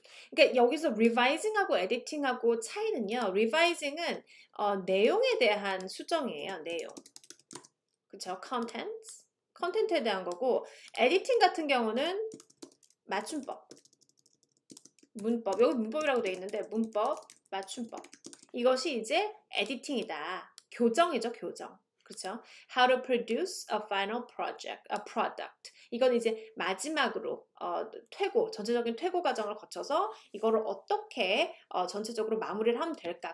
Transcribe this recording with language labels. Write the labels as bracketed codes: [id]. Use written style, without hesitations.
[ko] 그러니까 여기서 revising하고 editing하고 차이는요. revising은 내용에 대한 수정이에요. 내용. 그렇죠? contents. 컨텐츠에 대한 거고 에디팅 같은 경우는 맞춤법. 문법. 여기 문법이라고 돼 있는데 문법, 맞춤법. 이것이 이제 에디팅이다. 교정이죠, 교정. 그렇죠? [en] How to produce a final project, a product. [ko] 이건 이제 마지막으로 퇴고, 전체적인 퇴고 과정을 거쳐서 이거를 어떻게 전체적으로 마무리를 하면 될까?